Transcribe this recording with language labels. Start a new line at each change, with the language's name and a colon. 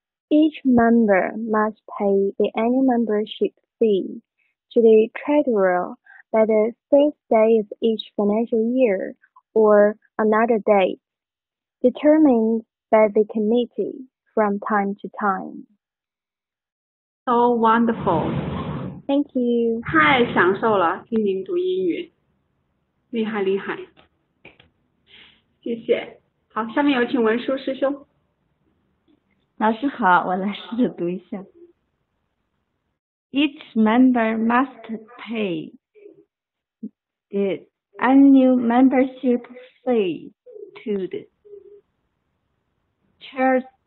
English: Each member must pay the annual membership fee to the treasurer by the first day of each financial year or another date determined by the committee from time to time. So wonderful. Thank you.
Chinese: 太享受了，听您读英语，厉害厉害，谢谢。好，下面有请文殊师兄。老师好，我来试着读一下。
English: Each member must pay the annual membership fee to the treasurer